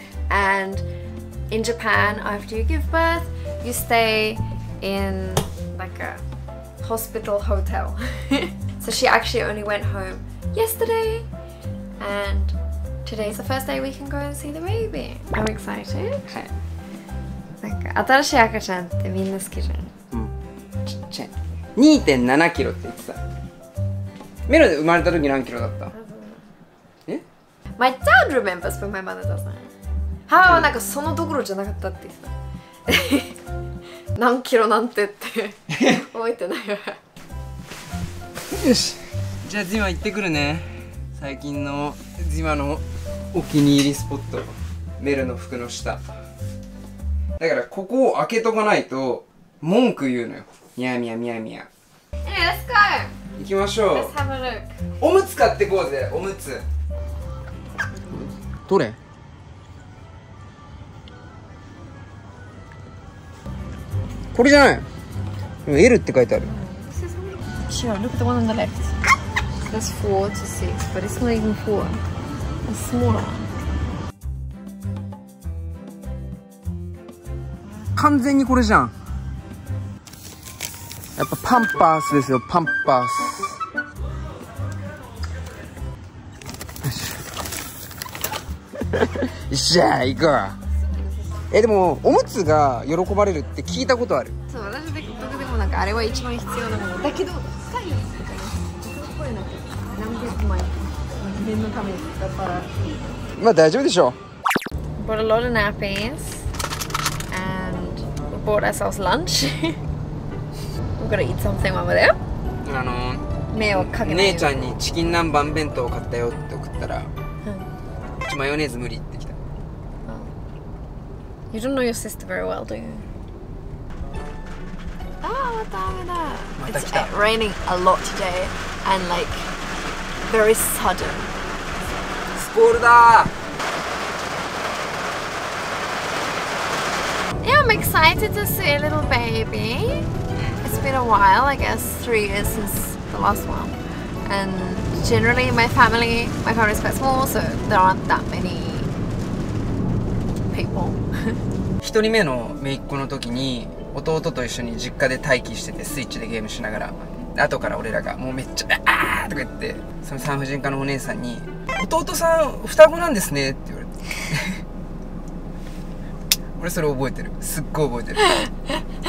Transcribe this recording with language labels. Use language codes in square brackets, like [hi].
[en] And in Japan, after you give birth, you stay in like a hospital hotel. So she actually only went home yesterday, and today's the first day we can go and see the baby. I'm excited. [ja] なんか新しい赤ちゃんってみんな好きじゃん。ちっちゃい。2.7 キロって言ってた。メロで生まれた時何キロだった？え？ [en] My dad remembers, but my mother doesn't. [ja] 母はなんかそのどころじゃなかったって言ってた。何キロなんてって覚えてないわ。よし、じゃあジマ行ってくるね。最近のジマのお気に入りスポット、メルの服の下だから、ここを開けとかないと文句言うのよ。ミヤミヤミヤ [en] ミヤ。 Let's go! [ja] 行きましょう。 [en] Let's have a look. [ja] おむつ買ってこうぜ。おむつどれ。これじゃない。でも L って書いてある。 [en] Sure, look at the one on the left. That's 4 to 6, but it's not even 4. It's smaller. [ja] 完全にこれじゃん。やっぱパンパースですよ、パンパース。よっしゃ、行こう。でもおむつが喜ばれるって聞いたことある。そう、私的にでもなんかあれは一番必要なものだけど、使いやすいとかね、自分の声なんて何百枚のためだから、まあ大丈夫でしょう。 [en] Bought a lot of nappies and we bought ourselves lunch. We gotta eat something while we're there. [ja] 目をかけない。姉ちゃんにチキン南蛮弁当を買ったよって送ったら、うん、ちょっとマヨネーズ無理って。 [en] You don't know your sister very well, do you? [ja] Ah, また雨だ。 [en] It's raining a lot today, and like, very sudden. [ja] スコールだ。 [en] Yeah, I'm excited to see a little baby. It's been a while, I guess 3 years since the last one. And generally, my family is quite small, so there aren't that many people. [ja] 一人目の姪っ子の時に弟と一緒に実家で待機してて、スイッチでゲームしながら、後から俺らがもうめっちゃあーとか言って、その産婦人科のお姉さんに、弟さん双子なんですねって言われて俺それ覚えてる、すっごい覚えてる。